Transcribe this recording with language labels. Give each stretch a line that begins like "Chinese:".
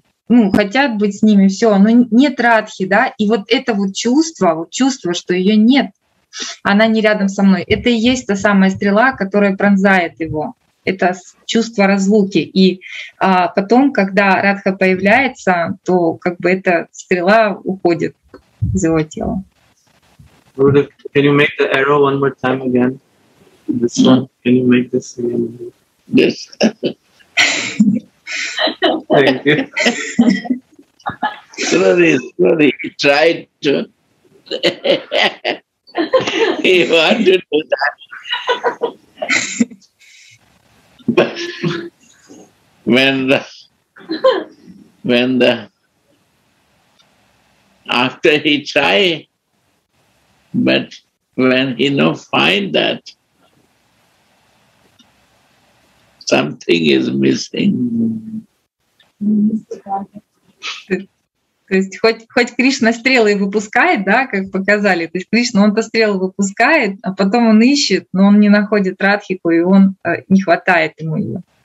Russian: Ну, хотят быть с ними, все, но нет Радхи, да, и вот это вот чувство, что ее нет, она не рядом со мной, это и есть та самая стрела, которая пронзает его, это чувство разлуки, и потом, когда Радха появляется, то как бы эта стрела уходит из его тела.
English: Can you make the arrow one more time again? This one, can you make this again? Yes. Thank you. Slowly, he tried to. He wanted to do that. But when the. After he tried, but when he no find that, something is missing.
Russian: То есть хоть Кришна стрелы выпускает, да, как показали, то есть Кришна, он-то стрелы выпускает, а потом он ищет, но он не находит Радхику, и он не хватает ему ее.